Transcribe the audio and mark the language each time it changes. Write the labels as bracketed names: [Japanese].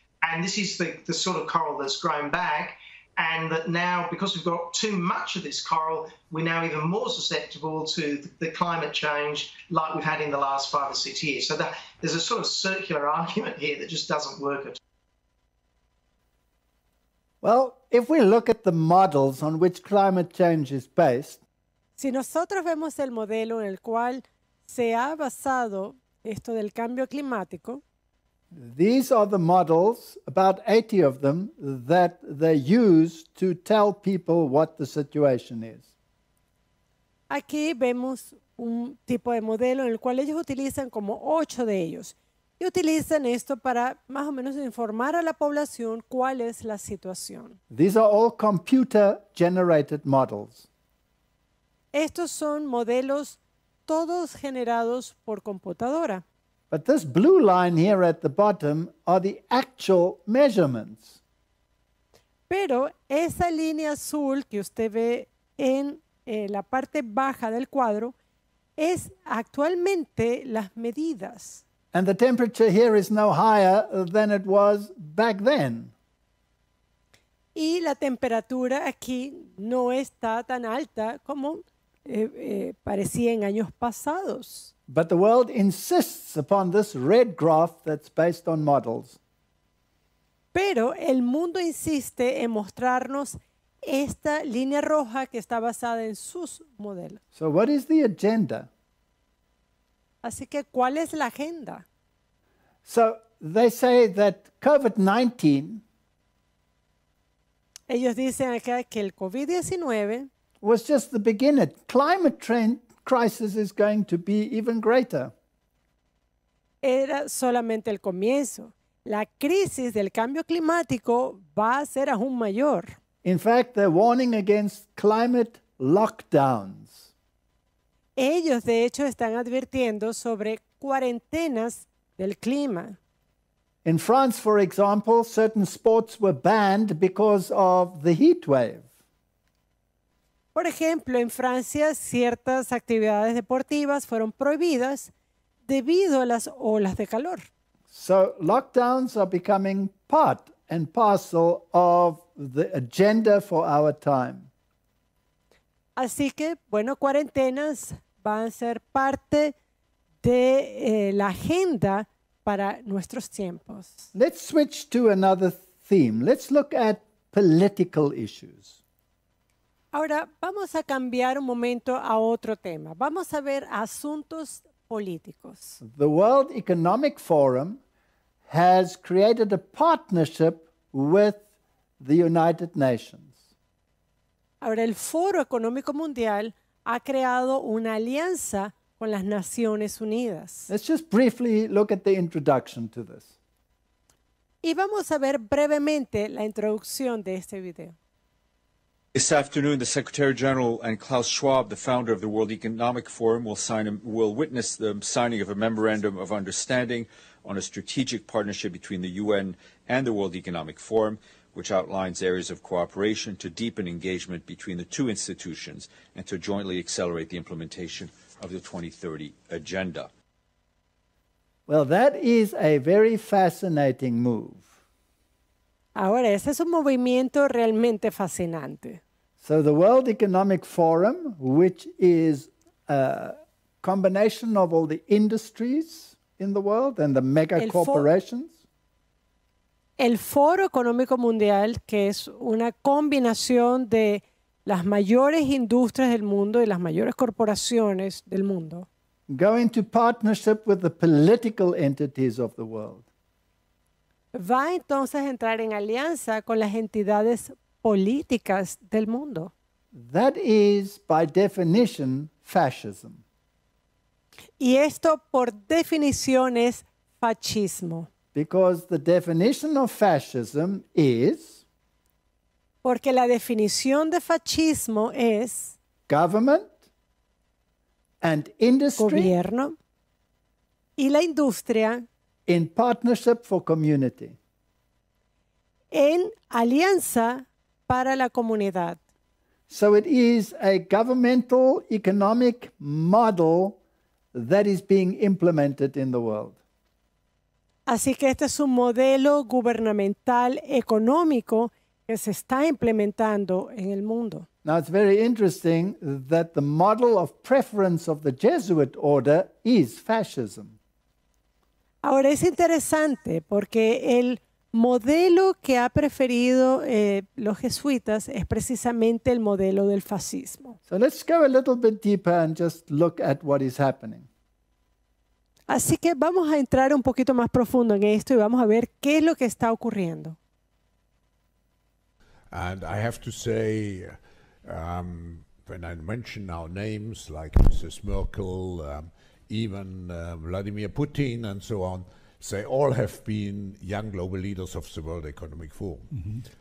[English] And this is the sort of coral that's grown back, and that now, because we've got too much of this coral, we're now even more susceptible to the climate change like we've had in the last 5 or 6 years. So there's a sort of circular argument here that just doesn't work at all. Well, if we look at the models on which climate change is based... [Spanish] Si nosotros vemos el modelo en el cual se ha basado esto del cambio climático... [English] These are the models, about 80 of them, that they use to tell people what the situation is. [Spanish] Aquí vemos un tipo de modelo en el cual ellos utilizan como 8 de ellos. Y utilizan esto para más o menos informar a la población cuál es la situación. [English] These are all computer-generated models. [Spanish] Estos son modelos todos generados por computadora. [English] But this blue line here at the bottom are the actual measurements. [Spanish] Pero esa línea azul que usted ve en la parte baja del cuadro es actualmente las medidas. [English] And the temperature here is no higher than it was back then. [Spanish] Y la temperatura aquí no está tan alta como parecía en años pasados. [English] But the world insists upon this red graph that's based on models. [Spanish] Pero el mundo insiste en mostrarnos esta línea roja que está basada en sus modelos. [English] So what is the agenda? [Spanish] Así que, ¿cuál es la agenda? [English] So they say that COVID-19. [Spanish] Ellos dicen acá que el COVID-19 [English] was just the beginning. Climate trend crisis is going to be even greater. [Spanish] Era solamente el comienzo. La crisis del cambio climático va a ser aún mayor. [English] In fact, they're warning against climate lockdowns. [Spanish] Ellos, de hecho, están advirtiendo sobre cuarentenas del clima. [English] In France, for example, certain sports were banned because of the heat wave. [Spanish] Por ejemplo, en Francia, ciertas actividades deportivas fueron prohibidas debido a las olas de calor. [English] So lockdowns are becoming part and parcel of the agenda for our time. [Spanish] Así que, bueno, cuarentenas van a ser parte de la agenda para nuestros tiempos. [English] Let's switch to another theme. Let's look at political issues. [Spanish] Ahora vamos a cambiar un momento a otro tema. Vamos a ver asuntos políticos. [English] The World Economic Forum has created a partnership with the United Nations. [Spanish] Ahora el Foro Económico Mundial ha creado una alianza con las Naciones Unidas. [English] Let's just briefly look at the introduction to this. [Spanish] Y vamos a ver brevemente la introducción de este video. [English] This afternoon, the Secretary General and Klaus Schwab, the founder of the World Economic Forum, will witness the signing of a memorandum of understanding on a strategic partnership between the UN and the World Economic Forum, which outlines areas of cooperation to deepen engagement between the two institutions and to jointly accelerate the implementation of the 2030 agenda. Well, that is a very fascinating move. [Spanish] Ahora, ese es un movimiento realmente fascinante. [English] So the World Economic Forum, which is a combination of all the industries in the world and the mega corporations. [Spanish] El Foro Económico Mundial, que es una combinación de las mayores industrias del mundo y las mayores corporaciones del mundo, [English] go into partnership with the political entities of the world. [Spanish] Va entonces a entrar en alianza con las entidades políticas del mundo. [English] That is, by definition, fascism. [Spanish] Y esto, por definición, es fascismo. [English] Because the definition of fascism is, [Spanish] porque la definición de fascismo es [English] government and industry, [Spanish] gobierno y la industria, [English] in partnership for community, [Spanish] en alianza para la comunidad. [English] So it is a governmental economic model that is being implemented in the world. [Spanish] Así que este es un modelo gubernamental económico que se está implementando en el mundo. [English] Now it's very interesting that the model of preference of the Jesuit order is fascism. [Spanish] Ahora es interesante porque el modelo que ha preferido los jesuitas es precisamente el modelo del fascismo. [English] So let's go a little bit deeper and just look at what is happening. [Spanish] Así que vamos a entrar un poquito más profundo en esto y vamos a ver qué es lo que está ocurriendo. [English] And I have to say, when I mention now names like Mrs. Merkel, even Vladimir Putin and so on, they all have been young global leaders of the World Economic Forum. Mm-hmm.